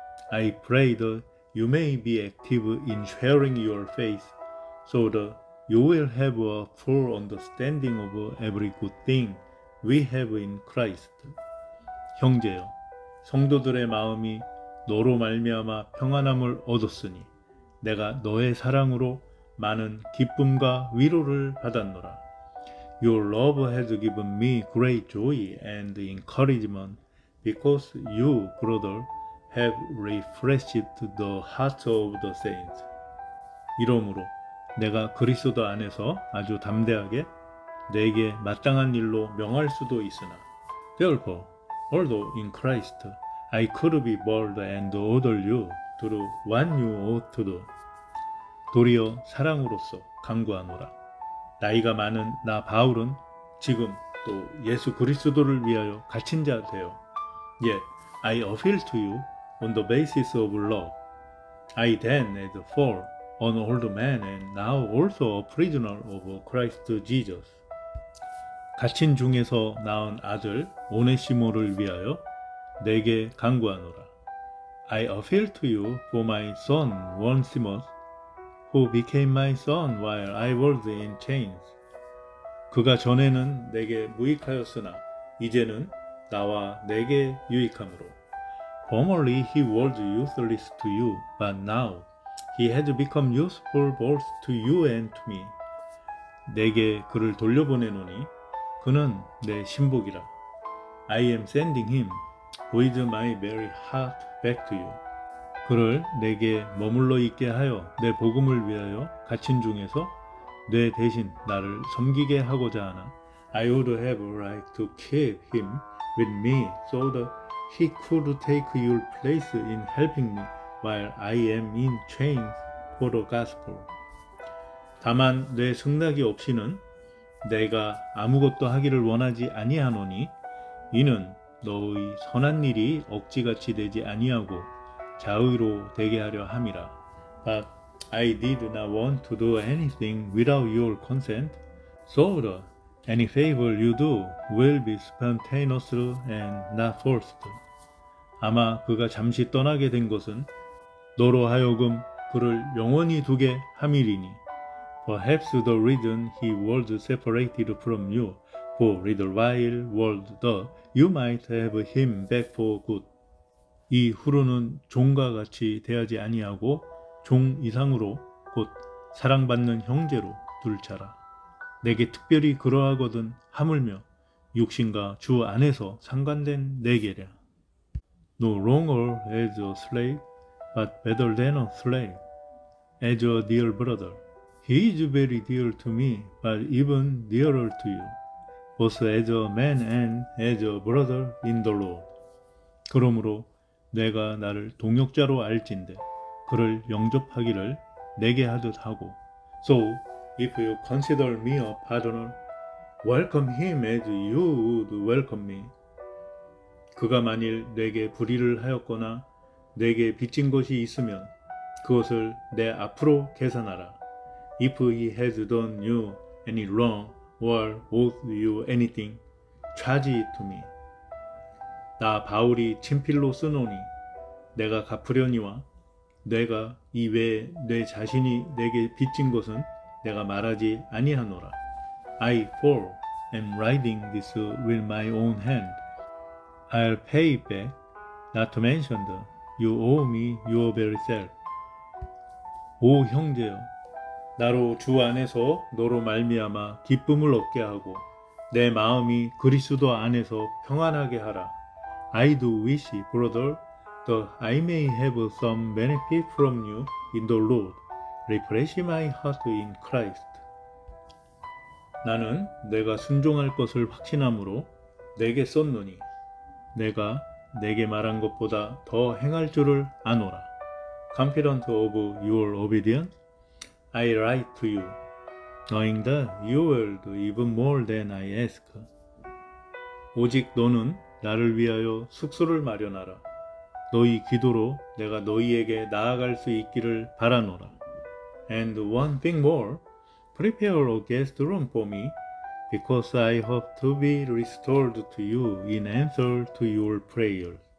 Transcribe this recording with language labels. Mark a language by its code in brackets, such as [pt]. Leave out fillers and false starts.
[en] I pray that you may be active in sharing your faith so that you will have a full understanding of every good thing we have in Christ. [ko] 형제여, 성도들의 마음이 너로 말미암아 평안함을 얻었으니 내가 너의 사랑으로 많은 기쁨과 위로를 받았노라. [en] Your love has given me great joy and encouragement because you, brother, have refreshed the hearts of the saints. [ko] 이러므로 내가 그리스도 안에서 아주 담대하게 내게 마땅한 일로 명할 수도 있으나 [en] Therefore, although in Christ, I could be bold and order you to do what you ought to do. [ko] 도리어 사랑으로서 간구하노라. 나이가 많은 나 바울은 지금 또 예수 그리스도를 위하여 갇힌 자 되어 [en] Yet I appeal to you on the basis of love. I then as for an old man and now also a prisoner of Christ Jesus. [ko] 갇힌 중에서 낳은 아들 오네시모를 위하여 내게 간구하노라. [en] I appeal to you for my son Onesimus. who became my son while I was in chains. [ko] 그가 전에는 내게 무익하였으나 이제는 나와 내게 유익함으로. [en] Formerly he was useless to you, but now he has become useful both to you and to me. [ko] 내게 그를 돌려보내노니 그는 내 신복이라. [en] I am sending him with my very heart back to you. [ko] 그를 내게 머물러 있게 하여 내 복음을 위하여 갇힌 중에서 내 대신 나를 섬기게 하고자 하나 [en] I would have a right to keep him with me so that he could take your place in helping me while I am in chains for the gospel. [ko] 다만 내 승낙이 없이는 내가 아무것도 하기를 원하지 아니하노니 이는 너의 선한 일이 억지같이 되지 아니하고 자의로 되게 하려 함이라. [en] But I did not want to do anything without your consent, so that any favor you do will be spontaneous and not forced. [ko] 아마 그가 잠시 떠나게 된 것은 너로 하여금 그를 영원히 두게 함이리니. [en] Perhaps the reason he was separated from you for a little while was that you might have him back for good. [ko] 이 후로는 종과 같이 대하지 아니하고 종 이상으로 곧 사랑받는 형제로 둘차라. 내게 특별히 그러하거든 하물며 육신과 주 안에서 상관된 내게랴. [en] No longer as a slave, but better than a slave. As a dear brother, he is very dear to me, but even dearer to you, both as a man and as a brother in the Lord. [ko] 그러므로 내가 나를 동역자로 알진대 그를 영접하기를 내게 하듯 하고 [en] So, if you consider me a partner, welcome him as you would welcome me. [ko] 그가 만일 내게 불의를 하였거나 내게 빚진 것이 있으면 그것을 내 앞으로 계산하라. [en] If he has done you any wrong or owes you anything, charge it to me. [ko] 나 바울이 친필로 쓰노니 내가 갚으려니와 내가 이외에 내 자신이 내게 빚진 것은 내가 말하지 아니하노라. [en] I, Paul, am writing this with my own hand. I'll pay it back, not to mention the you owe me your very self. [ko] 오 형제여, 나로 주 안에서 너로 말미암아 기쁨을 얻게 하고 내 마음이 그리스도 안에서 평안하게 하라. [en] I do wish, brother, that I may have some benefit from you in the Lord. Refresh my heart in Christ. [ko] 나는 내가 순종할 것을 확신함으로 내게 썼노니 내가 내게 말한 것보다 더 행할 줄을 아노라. [en] Confident of your obedience, I write to you, knowing that you will do even more than I ask. [ko] 오직 너는 나를 위하여 숙소를 마련하라. 너희 기도로 내가 너희에게 나아갈 수 있기를 바라노라. [en] And one thing more, prepare a guest room for me, because I hope to be restored to you in answer to your prayer.